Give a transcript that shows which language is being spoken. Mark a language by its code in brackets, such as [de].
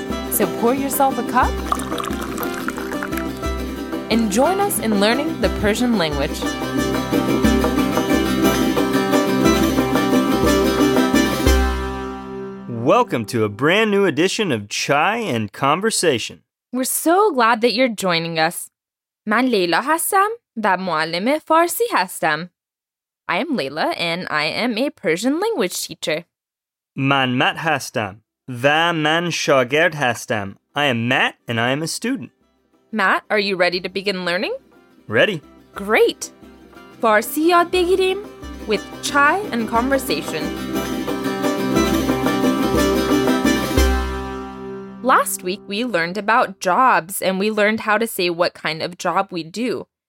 [en] So pour yourself a cup and join us in learning the Persian language. Welcome to a brand new edition of Chai and Conversation. We're so glad that you're joining us. [fa] من لیلا هستم و معلم فارسی هستم. [en] I am Leila and I am a Persian language teacher. [fa] من مات هستم و من شاگرد هستم. [en] I am Matt and I am a student. Matt, are you ready to begin learning? Ready. Great. [fa] فارسی یاد بگیریم [en] with Chai and Conversation. Last week, we learned about jobs and we learned how to say what kind of job we do.